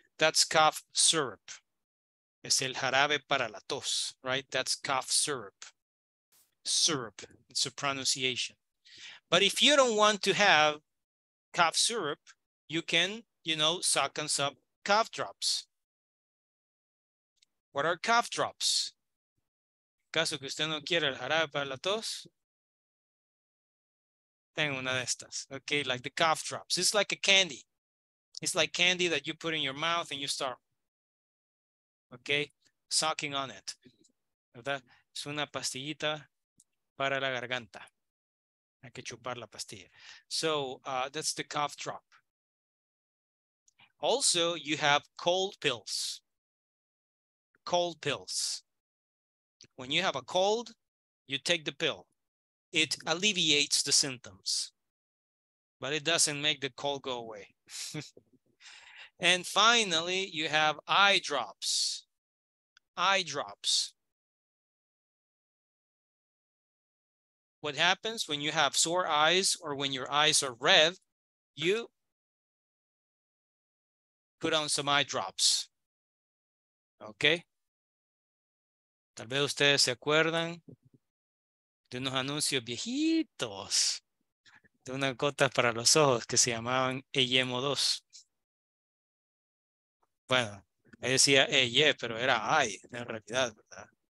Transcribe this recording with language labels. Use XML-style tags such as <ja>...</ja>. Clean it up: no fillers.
<en>That's cough syrup.</en> <es>Es el jarabe para la tos,</es> <en>right? That's cough syrup. Syrup, it's a pronunciation. But if you don't want to have cough syrup, you can, you know, suck on some cough drops. What are cough drops?</en> <es>En caso que usted no quiera el jarabe para la tos, tengo una de estas.</es> <en>Okay, like the cough drops. It's like a candy. It's like candy that you put in your mouth and you start, okay, sucking on it.</en> <es>¿Verdad? Es una pastillita para la garganta. Hay que chupar la pastilla.</es> <en>So that's the cough drop. Also, you have cold pills. Cold pills. When you have a cold, you take the pill. It alleviates the symptoms, but it doesn't make the cold go away. And finally, you have eye drops. Eye drops. What happens when you have sore eyes or when your eyes are red, you put on some eye drops. Okay?</en> <es>Tal vez ustedes se acuerdan de unos anuncios viejitos de una gota para los ojos que se llamaban Eyemo 2. Bueno, ahí decía Eye, pero era I en realidad, ¿verdad?</es>